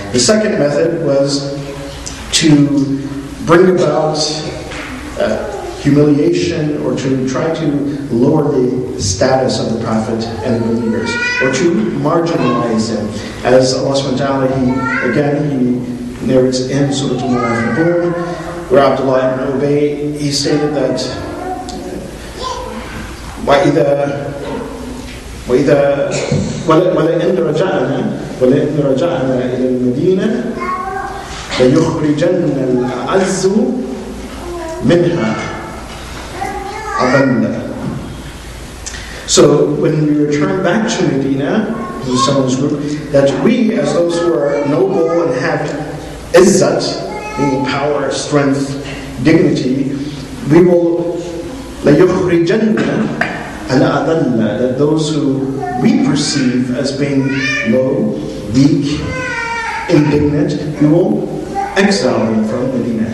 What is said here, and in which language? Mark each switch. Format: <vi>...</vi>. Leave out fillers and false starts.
<en>The second method was to bring about humiliation, or to try to lower the status of the Prophet and the believers, or to marginalize them. As Allah subhanahu wa ta'ala, he narrates in Surah Al-Munafiqun, where Abdullah ibn Ubay, he stated that, وَإِذَا</en> <ar>وإذا ولئن رجعنا إلى المدينة ليخرجن الأعز منها أضل.</ar> <en>So when we return back to Medina, to someone's group, that we, as those who are noble and have izzat, meaning power, strength, dignity, we will</en> <ar>ليخرجن الأضل,</ar> <en>that those who we perceive as being low, weak, indignant, we will exile them from Medina.</en>